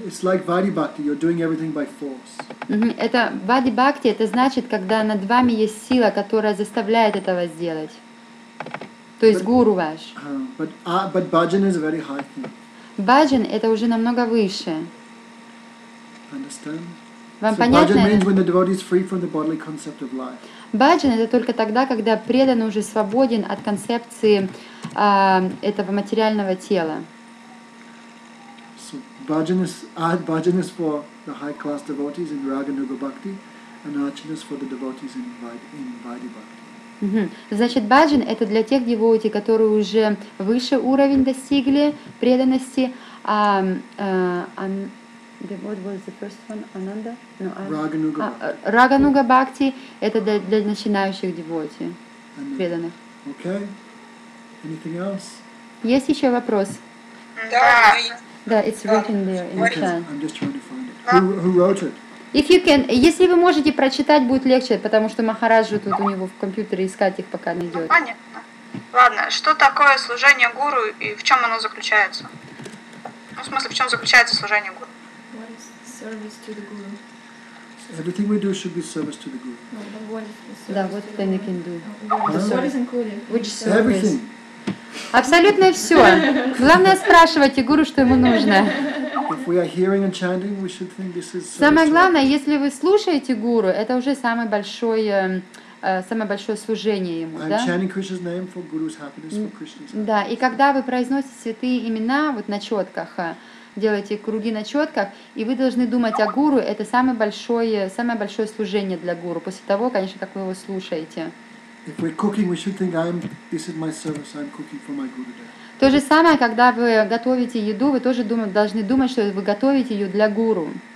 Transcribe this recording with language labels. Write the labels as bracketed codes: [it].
[en] It's like Vaidhi Bhakti, you're doing everything by force. [ru] Это Vaidhi Bhakti, это значит, когда над вами есть сила, которая заставляет этого сделать. То есть гуру ваш. [en] But bhajan is a very high thing. [ru] Bhajan — это уже намного выше. [en] Understand? [ru] Вам [en] so [ru] понятно? [en] Bhajan means when the devotee is free from the bodily concept of life. [ru] Bhajan — это только тогда, когда преданный уже свободен от концепции этого материального тела. [en] Bhajan is for the high class devotees in Raganuga Bhakti, and Archan is for the devotees in Vaidhi Bhakti. [ru] Значит, bhajan — это для тех девоти, которые уже выше уровень достигли преданности. [en] What was the first one? Ananda? No, [ru] Raganuga. Raganuga Bhakti — это для начинающих девоти, преданных. [en] Okay. Anything else? [ru] Есть еще вопрос? Да. Да, [en] it's written there in the chat. I'm just trying to find it. Who wrote it? If you can, [ru] если вы можете прочитать, будет легче, потому что Махараджа тут у него в компьютере, искать их пока не идет. Понятно. Ладно, что такое служение гуру и в чем оно заключается? В смысле, в чем заключается служение гуру? [en] What is service to the guru? Everything we do should be service to the Guru. [ru] Да, вот это не кинду. [en] Everything. [ru] Абсолютно все. Главное спрашивайте Гуру, что ему нужно. [en] If we are hearing and chanting, we should think this is. [ru] Самое главное, если вы слушаете Гуру, это уже самое большое служение ему, да? [en] I'm chanting Krishna's name for Guru's happiness, for Krishna's happiness. [ru] Да, и когда вы произносите святые имена вот на четках, делаете круги на четках, и вы должны думать о Гуру, это самое большое служение для Гуру, после того, конечно, как вы его слушаете. [en] If we're cooking, we should think, this is my service, I'm cooking for my Guru. [ru] То же самое, когда вы готовите еду, вы тоже должны думать, что вы готовите ее для Гуру.